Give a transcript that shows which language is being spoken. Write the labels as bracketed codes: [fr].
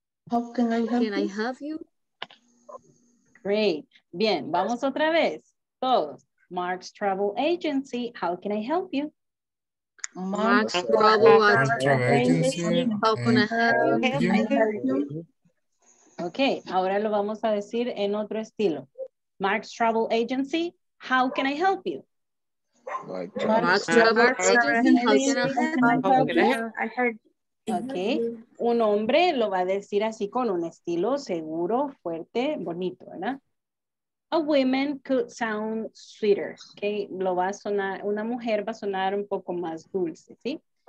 [en] How can I help you? Can I help you? Great. [es] Bien, vamos otra vez. Todos. [en] Mark's Travel Agency, how can I help you? Mark's Travel Agency, how can I help you? [es] Okay, ahora lo vamos a decir en otro estilo. [en] Mark's Travel Agency, how can I help you? Mark's Travel Agency, how can I help you? [es] Okay, un hombre lo va a decir así con un estilo seguro, fuerte, bonito, ¿verdad? [en] A woman could sound sweeter, [es] okay? Lo va a sonar, una mujer va a sonar un poco más dulce, ¿sí?